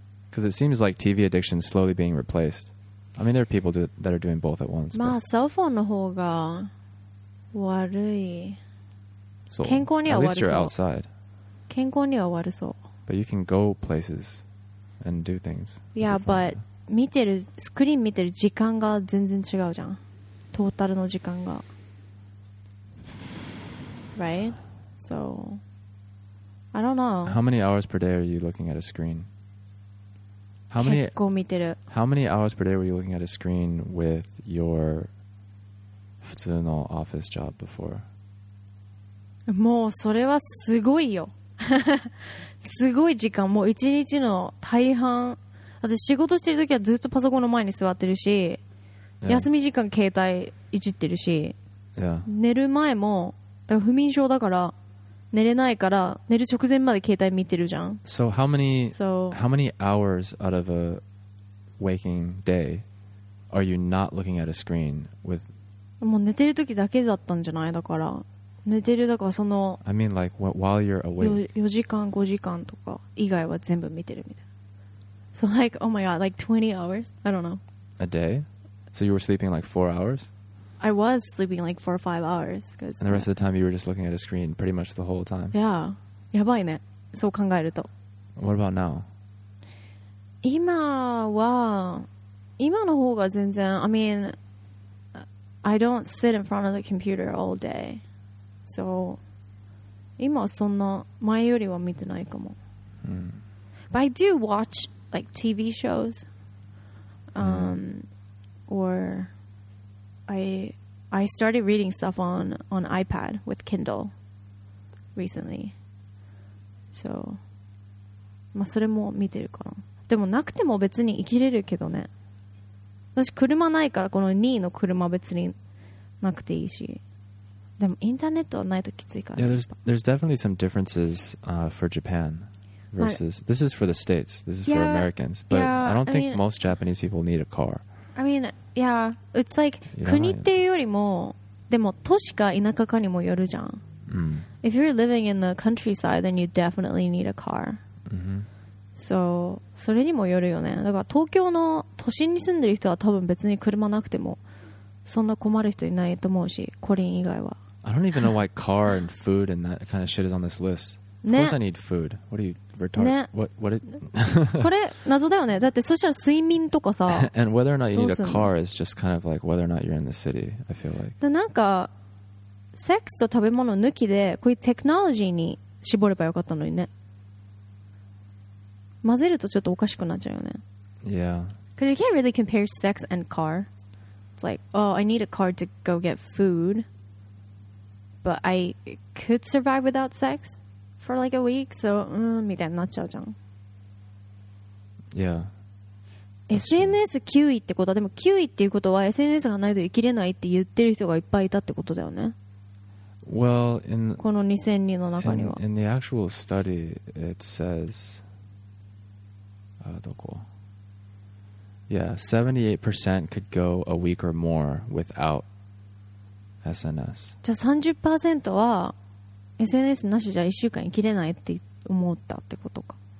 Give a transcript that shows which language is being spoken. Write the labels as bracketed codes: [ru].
[en] Because it seems like TV addiction is slowly being replaced. I mean, there are people that are doing both at once. [ja] まあ、cell phone の方が悪い。 [en] So, [ja] 健康には悪そう。 [en] At least you're outside. [ja] 健康には悪そう。 [en] But you can go places and do things. Yeah, but [ja] 見てるスクリーン見てる時間が全然違うじゃん。トータルの時間が。 [en] Right? So, I don't know. How many hours per day are you looking at a screen? [ja] How many, 結構見てる。 [en] How many hours per day were you looking at a screen with your 普通の office job before? [ja] もうそれはすごいよ。すごい時間。もう一日の大半。私仕事してるときはずっとパソコンの前に座ってるし、 [en] yeah. [ja] 休み時間携帯いじってるし、 [en] yeah. [ja] 寝る前もだから不眠症だから寝れないから寝る直前まで携帯見てるじゃん。 [en] So how many hours out of a waking day are you not looking at a screen with? [ja] もう寝てるときだけだったんじゃない。だから寝てるだからその [en] I mean like while you're awake [ja] 4時間5時間とか以外は全部見てるみたいな。 [en] So like, oh my god, like 20 hours? I don't know. A day? So you were sleeping like 4 hours? I was sleeping like 4 or 5 hours. And the rest of the time you were just looking at a screen pretty much the whole time. [ja] Yeah. やばいね。そう考えると。 [en] What about now? 今の方が全然、 I mean, I don't sit in front of the computer all day. [ja] So, 今はそんな、前よりは見てないかも。 [en] But I do watch... like TV shows or I started reading stuff on iPad with Kindle recently. [ja] So まあそれも見てるかな。でもなくても別に生きれるけどね。私車ないからこの2位の車別になくていいし。でもインターネットはないときついから。 [en] Yeah, there's definitely some differences for Japan. Versus, this is for the States. This is for Americans. But yeah, I don't think most Japanese people need a car. [ja] I mean, yeah. It's like, 国っていうよりも、でも都市か田舎かにもよるじゃん。 [en] If you're living in the countryside, then you definitely need a car. [ja] So, それにもよるよね。だから東京の都心に住んでる人は多分別に車なくても、そんな困る人いないと思うし、コリン以外は。 [en] I don't even know why car and food and that kind of shit is on this list. Of course I need food. What are you retarded?、 [ja] ね、 [en] what it... [ja] これ謎だよね。だってそしたら睡眠とかさ。 [en] And whether or not you need a car is just kind of like whether or not you're in the city, I feel like. [ja] なんか、セックスと食べ物抜きで、こういうテクノロジーに絞ればよかったのにね。混ぜるとちょっとおかしくなっちゃうよね。 [en] Yeah. Because you can't really compare sex and car. It's like, oh, I need a car to go get food. But I could survive without sex. For like a week, so みたいになっちゃうじゃん。 Yeah. [ja] SNS 9位ってことは、でも9位っていうことは SNS がないと生きれないって言ってる人がいっぱいいたってことだよね。 [en] Well, in [ja] この2000人の中には。 [en] In the actual study, it says, どこ？Yeah, 78% could go a week or more without SNS. [ja] じゃあ 30% は。 SNS なしじゃ1週間生きれないって思ったってことか。